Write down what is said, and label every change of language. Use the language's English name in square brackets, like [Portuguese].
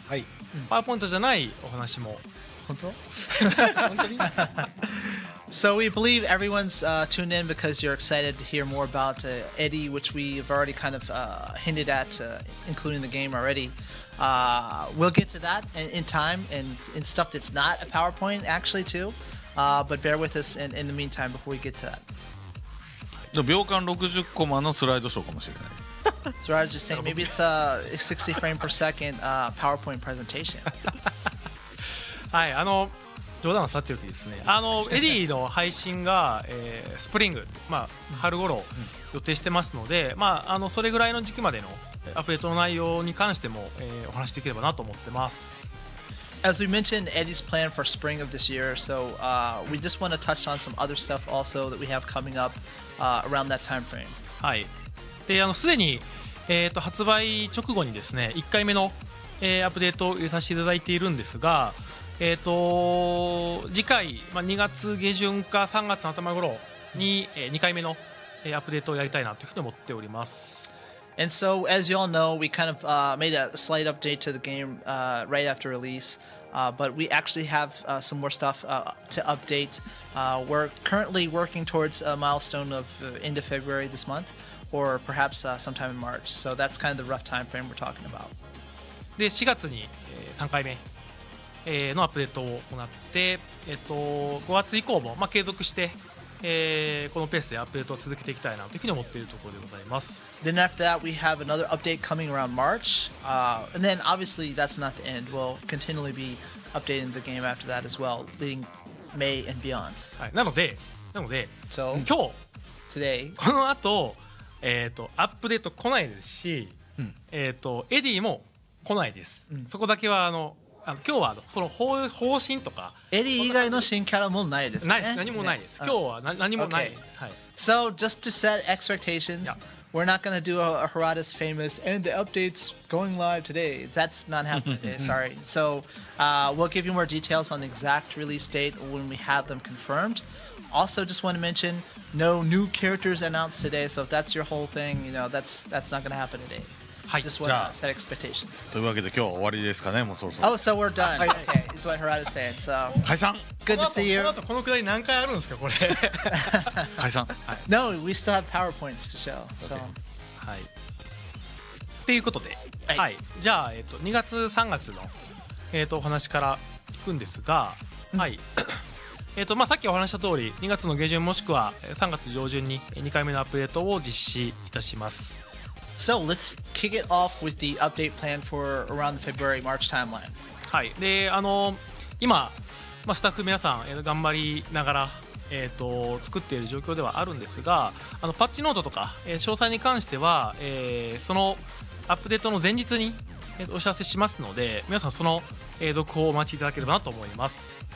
[Japanese] はい、パワーポイントじゃないお話も本当？ [English] So we believe everyone's tuned in because you're excited to hear more about Eddie, which we've already kind of hinted at, including the game already. We'll get to that in time and in stuff that's not a PowerPoint actually too. But bear with us in the meantime before we get to that. [Japanese] 秒間60コマのスライドショーかもしれない。 [English] So I was just saying, maybe it's a 60 frame per second PowerPoint presentation. [Japanese] はい、あの、冗談はさておきですね。あの、エディの配信が、スプリング、まあ、春頃予定してますので、まあ、あの、それぐらいの時期までのアップデートの内容に関しても、お話しできればなと思ってます。 [English] As we mentioned, Eddie's plan for spring of this year, so we just want to touch on some other stuff also that we have coming up around that time frame. [Japanese] はい。で、あの、すでに、発売直後にですね、1回目の、アップデートを入れさせていただいているんですが、次回、まあ、2月下旬か3月の頭ごろに、2回目の、アップデートをやりたいなというふうに思っております。 [English] And so, as you all know, we kind of made a slight update to the game right after release, but we actually have some more stuff to update. We're currently working towards a milestone of end of February this month. Or perhaps sometime in March. So that's kind of the rough time frame we're talking about. [Japanese] で、4月に、3回目、のアップデートを行って、5月以降も、まあ、継続して、このペースでアップデートを続けていきたいなというふうに思っているところでございます。 [English] Then after that, we have another update coming around March. And then obviously that's not the end. We'll continually be updating the game after that as well, leading May and beyond. [Japanese] はい、なので、 [English] so, [Japanese] 今日、 [English] today, [Japanese] この後、アップデート来ないですし、うん、エディも来ないです、うん、そこだけはあの今日はその方針とかエディ以外の新キャラもないですね。ないです、何もないです、ね、今日は何もないです、okay. はい、 [English] So just to set expectations、yeah. We're not gonna do a Harada's famous And the update's going live today. That's not happening today, sorry. So we'll give you more details on the exact release date when we have them confirmed. Also just want to mentionNo new characters announced today, so if that's your whole thing, you know, that's not going to happen today. Just want to set expectations. [Japanese] というわけで今日は終わりですかね、もうそろそろ。 [English] Oh, so we're done. Okay, is what Harada said. So, [Japanese] 解散。 [English] Good to see you. [Japanese] この後このくらい何回あるんですかこれ。解散。 [English] No, we still have PowerPoints to show. So, [Japanese] はい。ということで、はい。じゃあ2月3月のお話からいくんですが、はい。まあ、さっきお話した通り2月の下旬もしくは3月上旬に2回目のアップデートを実施いたします。 [English] So let's kick it off with the update plan for around the February March timeline. [Japanese] はい、で、今、まあ、スタッフ皆さん、頑張りながら、作っている状況ではあるんですが、あのパッチノートとか、詳細に関しては、そのアップデートの前日に、お知らせしますので、皆さんその、続報をお待ちいただければなと思います。